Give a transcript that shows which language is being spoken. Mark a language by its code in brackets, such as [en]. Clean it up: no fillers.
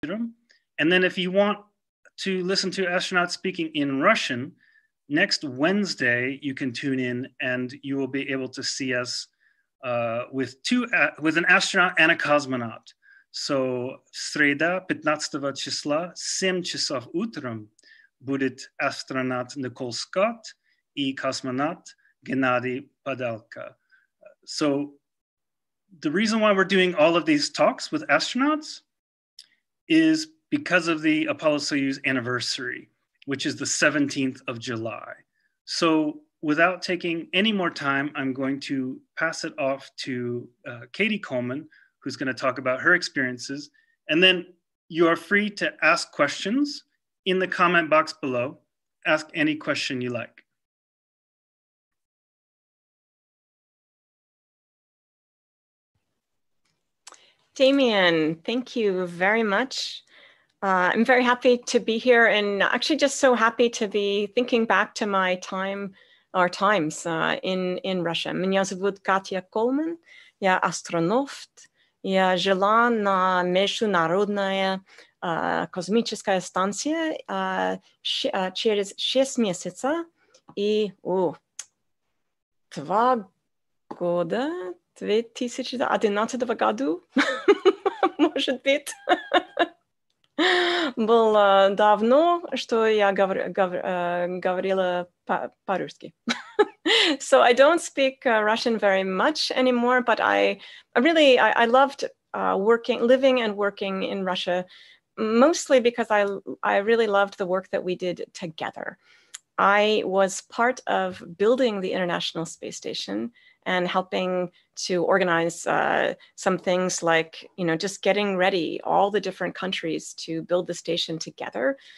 [en] And then if you want to listen to astronauts speaking in Russian, next Wednesday you can tune in and you will be able to see us with an astronaut and a cosmonaut. [ru] So среда 15-го числа 7 часов утром будет астронавт Николь Скотт и космонавт Геннадий Падалка. [en] So the reason why we're doing all of these talks with astronauts is because of the Apollo-Soyuz anniversary, which is the 17th of July. So without taking any more time, I'm going to pass it off to Cady Coleman, who's going to talk about her experiences. And then you are free to ask questions in the comment box below. Ask any question you like. Damian, thank you very much. I'm very happy to be here and actually just so happy to be thinking back to my time, our times in Russia. [ru] Меня зовут Катя Колман, я астронавт, я жила на Международная космическая станция через 6 месяцев и 2 года, 2011 году, может быть. Было давно, что я говорила по-русски. [en] So I don't speak Russian very much anymore, but I loved living and working in Russia, mostly because I really loved the work that we did together. I was part of building the International Space Station and helping to organize some things like, you know, just getting ready all the different countries to build the station together.